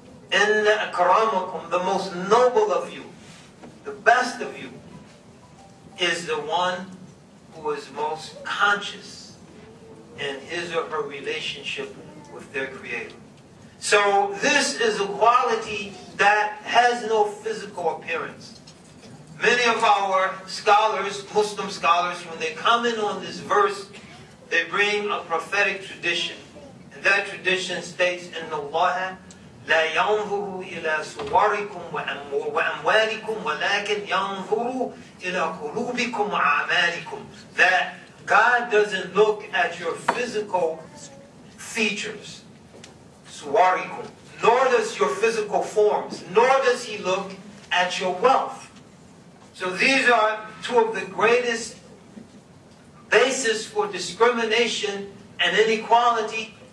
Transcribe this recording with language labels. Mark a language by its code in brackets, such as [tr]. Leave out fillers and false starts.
[en] The most noble of you, the best of you, is the one who is most conscious in his or her relationship with their Creator. So, this is a quality that has no physical appearance. Many of our scholars, Muslim scholars, when they comment on this verse, they bring a prophetic tradition. And that tradition states, [ar] إِنَّ اللَّهَ لَا يَنْظُرُ إِلَى صُوَرِكُمْ وَأَمْوَالِكُمْ وَلَكِنْ يَنْظُرُ إِلَى قُلُوبِكُمْ وَأَعْمَالِكُمْ. [en] That God doesn't look at your physical features, صُوَرِكُمْ, nor does your physical forms, nor does He look at your wealth. So these are two of the greatest basis for discrimination and inequality